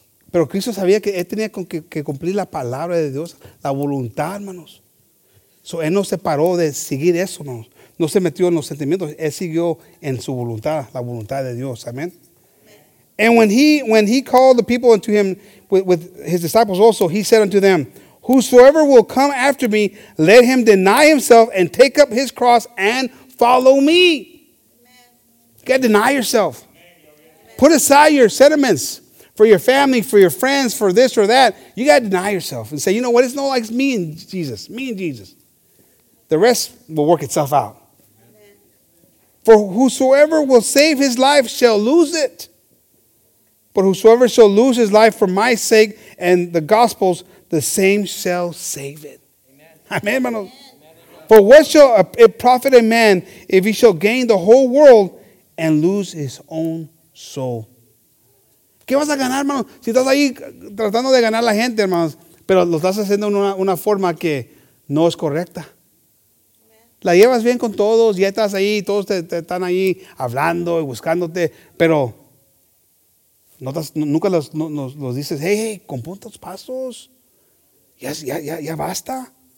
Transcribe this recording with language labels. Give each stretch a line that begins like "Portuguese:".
Spanish: Pero Cristo sabía que él tenía que cumplir la palabra de Dios, la voluntad, manos. So, él no se paró de seguir eso, manos. No se metió en los sentimientos. Él siguió en su voluntad, la voluntad de Dios. Amen. Amen.
English: And when he called the people unto him with his disciples also, he said unto them, whosoever will come after me, let him deny himself and take up his cross and follow me. You got to deny yourself. Put aside your sentiments for your family, for your friends, for this or that. You got to deny yourself and say, you know what? It's not like me and Jesus. Me and Jesus. The rest will work itself out. Amen. For whosoever will save his life shall lose it. But whosoever shall lose his life for my sake and the gospel's, the same shall save it. Amen. Amen. Amen. For what shall it profit a man if he shall gain the whole world and lose his own soul?
Spanish: ¿Qué vas a ganar, hermano? Si estás ahí tratando de ganar a la gente, hermanos, pero lo estás haciendo en una forma que no es correcta. La llevas bien con todos, ya estás ahí, todos te están ahí hablando y buscándote, pero nunca los dices, hey, compón tus pasos, ya basta.